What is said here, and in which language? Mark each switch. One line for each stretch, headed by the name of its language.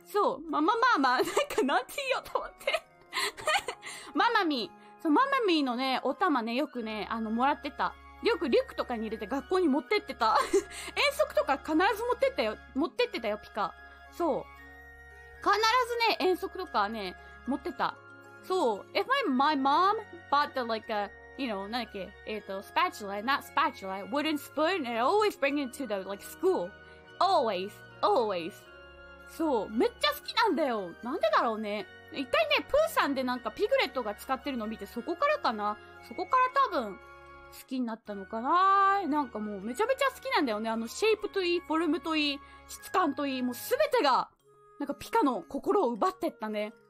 Japanese: そう、ママ、なんかなんて言うよと思って。ママミー、そう、ママミーのね、お玉ね、よくね、あの、もらってた。よくリュックとかに入れて学校に持ってってた。遠足とか必ず持ってったよ、持ってってたよ、ピカ。そう。必ずね、遠足とかね、持ってた。
English: そう、if my mom bought the like a,You know,
Japanese: 何だっけ
English: spatula, not spatula, wooden spoon, and I always bring it to the, like, school. Always, always.
Japanese: そう、めっちゃ好きなんだよ。なんでだろうね。一回ね、プーさんでなんかピグレットが使ってるのを見て、そこからかな。そこから多分、好きになったのかな。なんかもう、めちゃめちゃ好きなんだよね。あの、シェイプといい、フォルムといい、質感といい、もうすべてが、なんかピカの心を奪ってったね。